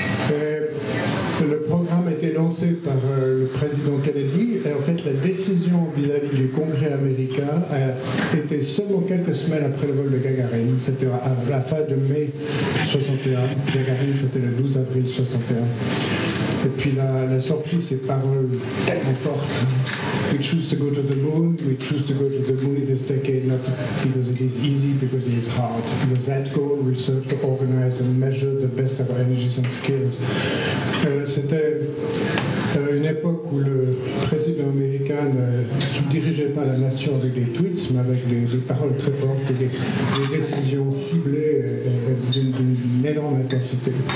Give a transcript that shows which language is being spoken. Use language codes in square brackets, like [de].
[fr] Et le programme a été lancé par le président Kennedy, et en fait, la décision vis-à-vis du Congrès américain a été seulement quelques semaines après le vol de Gagarine. C'était à la fin de mai 61. Gagarine, c'était le 12 avril 61. Et puis la sortie, ces paroles tellement fortes. [en] We choose to go to the moon. We choose to go to the moon in this decade, not because it is easy, because it is hard. Because that goal will serve to organize and measure the best of our energies and skills. [fr] C'était une époque où le président américain ne dirigeait pas la nation avec des tweets, mais avec des paroles très fortes et des décisions ciblées d'une énorme intensité.